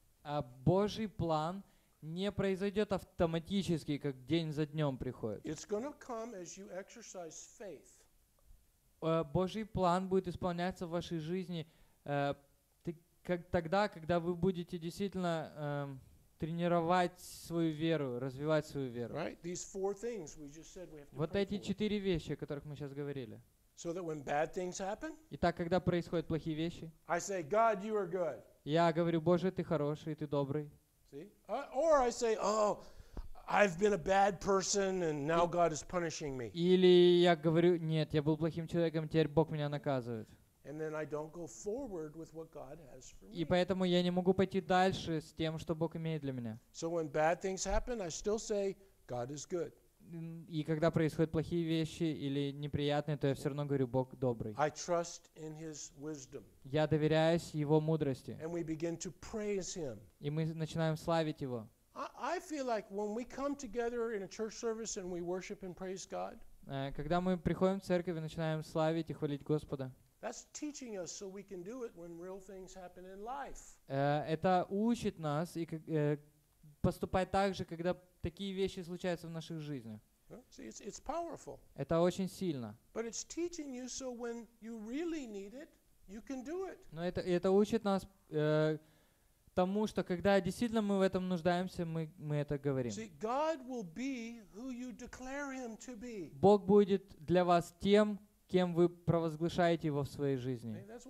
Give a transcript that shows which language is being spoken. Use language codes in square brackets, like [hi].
[ru] А Божий план не произойдет автоматически, как день за днем приходит. [en] It's going to come as you exercise faith. [ru] Божий план будет исполняться в вашей жизни тогда, когда вы будете действительно тренировать свою веру, развивать свою веру. [en] Right? These four things we just said we have to. [ru] Вот эти четыре вещи, о которых мы сейчас говорили. [en] So that when bad things happen, [ru] итак, когда происходят плохие вещи, [en] I say, God, you are good. [ru] Я говорю, Боже, ты хороший, ты добрый. [en] See? Or I say, oh, I've been a bad person, and now God is punishing me. [ru] Или я говорю, нет, я был плохим человеком, теперь Бог меня наказывает. [en] And then I don't go forward with what God has for me. [ru] И поэтому я не могу пойти дальше с тем, что Бог имеет для меня. [en] So when bad things happen, I still say God is good. [ru] И когда происходят плохие вещи или неприятные, то я все равно говорю, Бог добрый. [en] I trust in his wisdom. [ru] Я доверяюсь Его мудрости. [en] And we begin to praise him. [ru] И мы начинаем славить Его. [en] I feel like when we come together in a church service and we worship and praise God, [ru] когда мы приходим в церковь и начинаем славить и хвалить Господа, [en] that's teaching us so we can do it when real things happen in life. [ru] Это учит нас и поступать так же, когда такие вещи случаются в наших жизнях. [en] See, it's powerful. [ru] Это очень сильно. [en] But it's teaching you so when you really need it, you can do it. [ru] Но это учит нас тому, что когда действительно мы в этом нуждаемся, мы это говорим. [en] See, God will be who you declare him to be. [ru] Бог будет для вас тем, кем вы провозглашаете его в своей жизни.